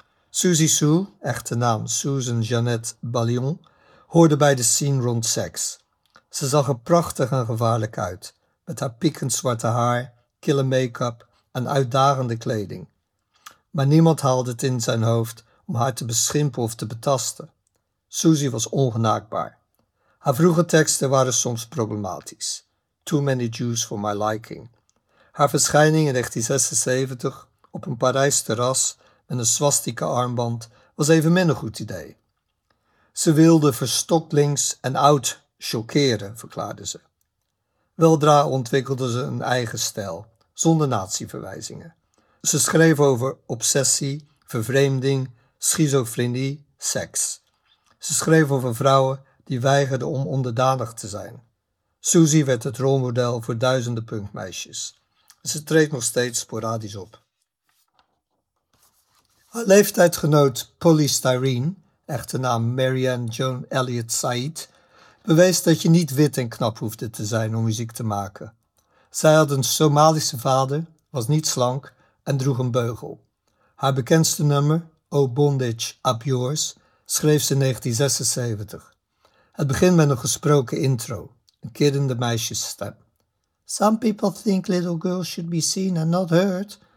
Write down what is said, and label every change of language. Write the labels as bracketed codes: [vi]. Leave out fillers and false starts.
[nl] Susie Sue, echte naam Susan Jeanette Ballion, hoorde bij de scene rond Sex. Ze zag er prachtig en gevaarlijk uit, met haar piekend zwarte haar, kille make-up en uitdagende kleding. Maar niemand haalde het in zijn hoofd om haar te beschimpen of te betasten. Susie was ongenaakbaar. Haar vroege teksten waren soms problematisch. [en] Too many Jews for my liking. [nl] Haar verschijning in 1976 op een Parijs terras met een swastika armband was evenmin een goed idee. Ze wilde verstokt links en oud shockeren, verklaarde ze. Weldra ontwikkelde ze een eigen stijl, zonder nazi-verwijzingen. Ze schreef over obsessie, vervreemding, schizofrenie, seks. Ze schreef over vrouwen die weigerden om onderdanig te zijn. Susie werd het rolmodel voor duizenden punkmeisjes. Ze treedt nog steeds sporadisch op. Haar leeftijdgenoot Polystyrene, echte naam Marianne Joan Elliott Said, bewees dat je niet wit en knap hoefde te zijn om muziek te maken. Zij had een Somalische vader, was niet slank en droeg een beugel. Haar bekendste nummer, O Bondage Up Yours, schreef ze in 1976. Het begint met een gesproken intro, een kiddende meisjesstem. [en] Some people think little girls should be seen and not heard.